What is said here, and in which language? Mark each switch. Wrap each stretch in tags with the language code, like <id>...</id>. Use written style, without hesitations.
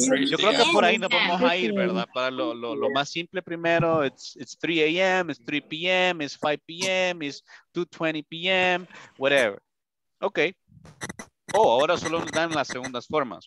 <es>Yo creo que por ahí nos vamos a ir, ¿verdad? Para lo más simple primero,</es> <en>it's 3 a.m., it's 3 p.m., it's 5 p.m., it's 2:20 p.m., whatever. Okay.</en> <es>Oh, ahora solo nos dan las segundas formas.</es>